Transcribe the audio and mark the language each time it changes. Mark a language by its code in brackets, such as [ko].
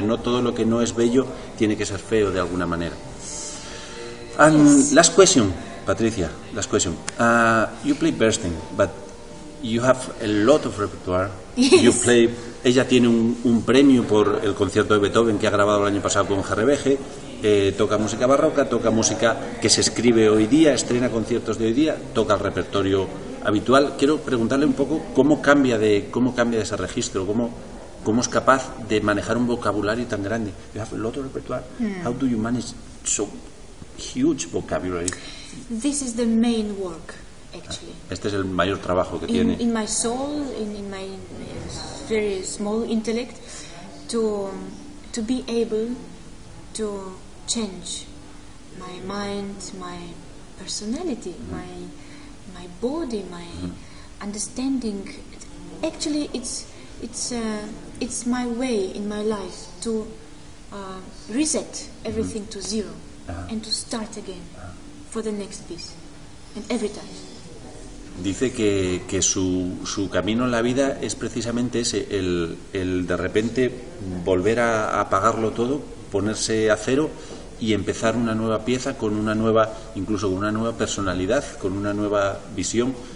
[es] No todo lo que no es bello tiene que ser feo de alguna manera. [en] And last question, Patricia, last question. You play Bernstein, but you have a lot of repertoire. You play. [es] Ella tiene un premio por el concierto de Beethoven que ha grabado el año pasado con Gerbeje. Toca música barroca, toca música que se escribe hoy día, estrena conciertos de hoy día, toca el repertorio habitual. Quiero preguntarle un poco cómo cambia ese registro, cómo es capaz de manejar un vocabulario tan grande. [en] You have a lot of repertoire. How do you manage so huge vocabulary? This is the main work. Actually, [es] este es el mayor trabajo que [en] tiene. In my soul, in my very small intellect, to be able to change my mind, my personality, my body, my understanding. Actually, it's my way in my life to reset everything to zero and to start again for the next piece and every time. [es] Dice que su camino en la vida es precisamente ese, el de repente volver a apagarlo todo, ponerse a cero y empezar una nueva pieza con una nueva, incluso con una nueva personalidad, con una nueva visión.